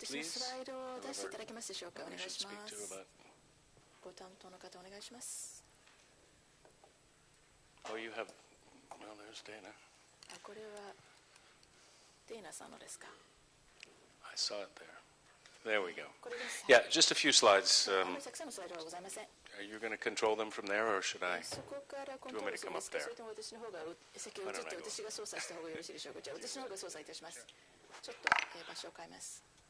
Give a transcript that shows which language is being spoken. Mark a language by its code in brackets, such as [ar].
[ja] 私のスライドを出していただけますでしょうか。お願いします。ご担当の方お願いします。 [en] Oh, you have... Well, there's Dana. [ja] あ、これはデイナさんのですか。 [en] I saw it there. There we go. Yeah, just a few slides. [ja] たくさんのスライドはございません。 [en] Are you going to control them from there, or should I? [ja] そこからコントロールするんですか。それとも私の方が先を移って私が操作した方がよろしいでしょうか。じゃあ私の方が操作いたします。ちょっと場所を変えます。